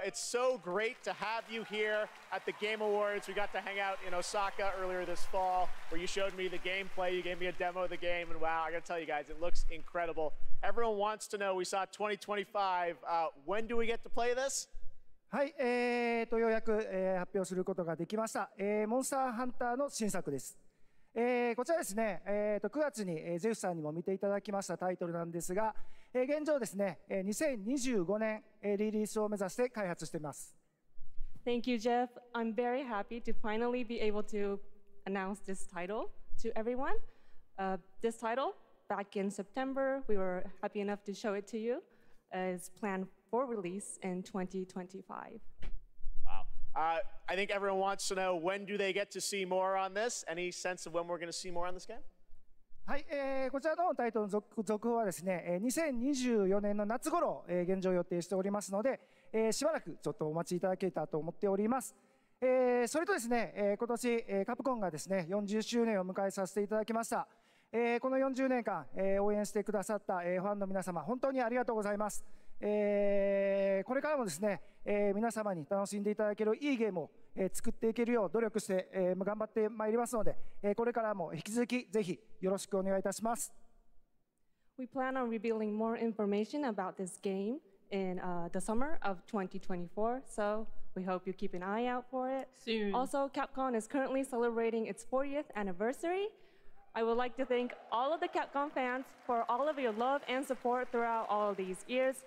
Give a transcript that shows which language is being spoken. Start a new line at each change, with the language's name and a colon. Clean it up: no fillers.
English: It's so great to have you here at the Game Awards. We got to hang out in Osaka earlier this fall where you showed me the gameplay, you gave me a demo of the game, and wow, I gotta tell you guys, it looks incredible. Everyone wants to know, we saw 2025, when do we get to play this?
Japanese: はい、ようやく、発表することができました、モンスターハンターの新作です、こちらですね、9月に、ゼフさんにも見ていただきましたタイトルなんですが、現状ですね、2025年、リリースを目指して開発しています。
English: Thank you, Jeff. I'm very happy to finally be able to announce this title to everyone. This title, back in September, we were happy enough to show it to you. Is planned for release in 2025. Wow. I think everyone wants to know, when do they get to see more on this? Any sense of when we're going to see more on this game?
Japanese: はい、こちらのタイトルの 続報はですね、2024年の夏頃、現状予定しておりますので、しばらくちょっとお待ちいただけたと思っております。それとですね、今年、カプコンがですね、40周年を迎えさせていただきました。この40年間、応援してくださった、ファンの皆様、本当にありがとうございます。これからもですね、皆様に楽しんでいただけるいいゲームを、作っていけるよう努力して、頑張ってまいりますので、これからも引き続きぜひよろしくお願いいたします。
English: We plan on revealing more information about this game in, the summer of 2024, so we hope you keep an eye out for it. Soon. Also, Capcom is currently celebrating its 40th anniversary. I would like to thank all of the Capcom fans for all of your love and support throughout all of these years.